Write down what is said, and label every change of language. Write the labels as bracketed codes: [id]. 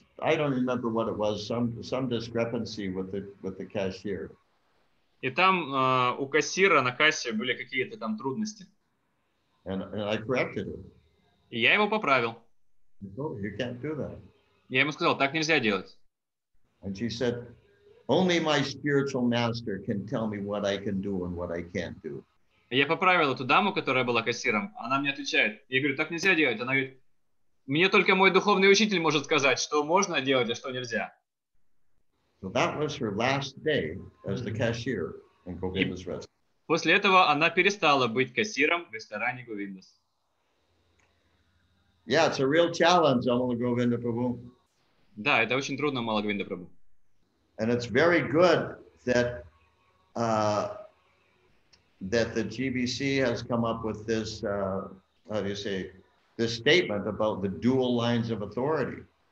[en] I don't remember what it was, some discrepancy with the cashier. [ru] И там у кассира на кассе были какие-то там трудности. [en] And I corrected him. [ru] И я его поправил. [en] No, you can't do that. [ru] Я ему сказал, так нельзя делать. [en] And she said, only my spiritual master can tell me what I can do and what I can't do. [ru] Я поправил эту даму, которая была кассиром. Она мне отвечает. Я говорю, так нельзя делать. Она говорит, мне только мой духовный учитель может сказать, что можно делать, а что нельзя. [en] So that was her last day as the cashier in Govinda's restaurant. [ru] После этого она перестала быть кассиром в ресторане Govinda's. [en] Yeah, it's a real challenge, Amala Govinda Prabhu. [ru] Да, это очень трудно, Амала Говинда Прабху. [en] And it's very good that the GBC has come up with this, this statement about the dual lines of authority.